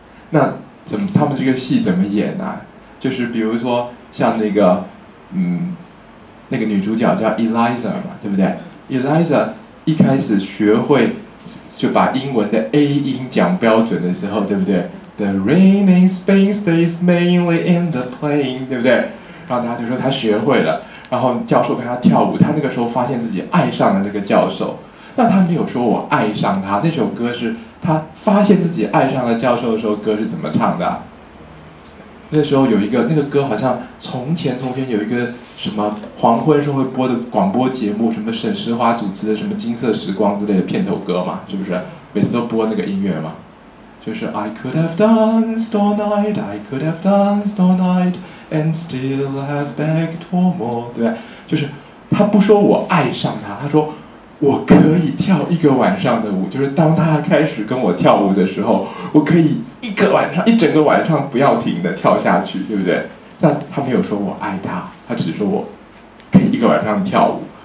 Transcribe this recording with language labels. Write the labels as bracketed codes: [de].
[zh] 那怎么他们这个戏怎么演啊？就是比如说像那个那个女主角叫 Eliza 嘛，对不对？ Eliza 一开始学会就把英文的 A 音讲标准的时候，对不对？ [en] The rain in Spain stays mainly in the plain， [zh] 对不对？然后大家就说她学会了，然后教授跟她跳舞，她那个时候发现自己爱上了这个教授。那她没有说我爱上他，那首歌是她发现自己爱上了教授的时候，歌是怎么唱的？那时候有一个那个歌好像从前从前有一个什么黄昏时候会播的广播节目，什么沈石华主持的什么金色时光之类的片头歌嘛，是不是每次都播那个音乐嘛？就是 [en] I could have danced all night， I could have danced all night and still have begged for more， [zh] 对吧？就是他不说我爱上他，他说我可以跳一个晚上的舞，就是当他开始跟我跳舞的时候，我可以一个晚上一整个晚上不要停的跳下去，对不对？那他没有说我爱他，他只是说我可以一个晚上跳舞。